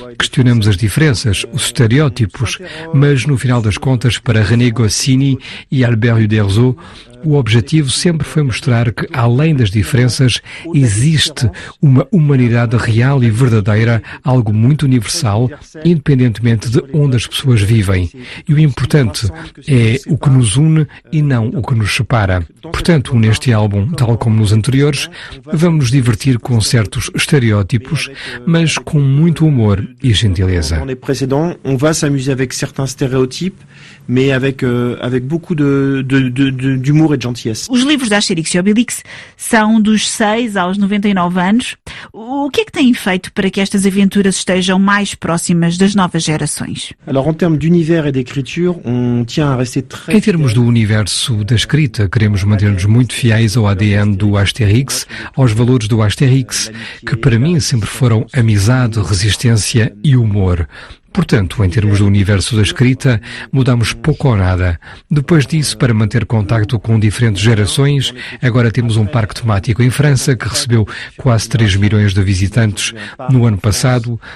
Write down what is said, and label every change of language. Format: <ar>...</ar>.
<pt>Questionamos as diferenças, os estereótipos, mas no final das contas, para René Goscinny e Albert Uderzo, o objetivo sempre foi mostrar que, além das diferenças, existe uma humanidade real e verdadeira, algo muito universal, independentemente de onde as pessoas vivem. E o importante é o que nos une e não o que nos separa. Portanto, neste álbum, tal como nos anteriores, vamos nos divertir com certos estereótipos, mas com muito humor e gentileza.</pt> <fr>On va s'amuser avec certains stéréotypes, mais avec beaucoup d'humour de gentileza.</fr> <pt>Os livros da Asterix e Obelix são dos 6 aos 99 anos. O que é que têm feito para que estas aventuras estejam mais próximas das novas gerações?</pt> <fr>Alors, en termes d'univers et d'écriture, on tient à rester très...</fr> <pt>Em termos do universo da escrita, queremos manter-nos muito fiéis ao ADN do Asterix, aos valores do Asterix, que para mim sempre foram amizade, resistência e humor. Portanto, em termos do universo da escrita, mudamos pouco ou nada. Depois disso, para manter contacto com diferentes gerações, agora temos um parque temático em França que recebeu quase 3 milhões de visitantes no ano passado.</pt>